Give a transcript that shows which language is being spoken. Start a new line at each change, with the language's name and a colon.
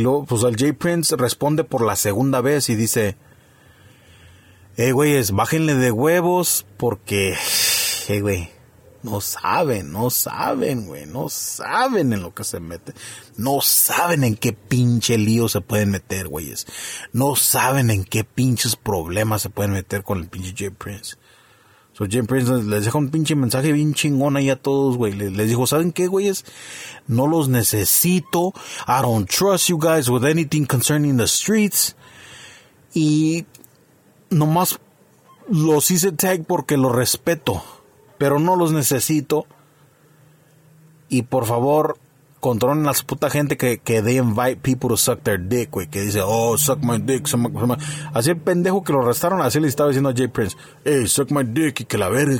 Spanish: Y luego, pues el Jay Prince responde por la segunda vez y dice, güeyes, bájenle de huevos porque, güey, no saben en lo que se meten. No saben en qué pinche lío se pueden meter, güeyes. No saben en qué pinches problemas se pueden meter con el pinche Jay Prince. So Jay Prince les deja un pinche mensaje bien chingón ahí a todos, güey. Les dijo, ¿saben qué, güeyes? No los necesito.
English: I don't trust you guys with anything concerning the streets.
Spanish: Y nomás los hice tag porque los respeto, pero no los necesito. Y por favor, controlen a su puta gente que they invite people to suck their dick, güey. Que dice, suck my dick. Así el pendejo que lo arrestaron, así le estaba diciendo a Jay Prince, suck my dick y que la verga.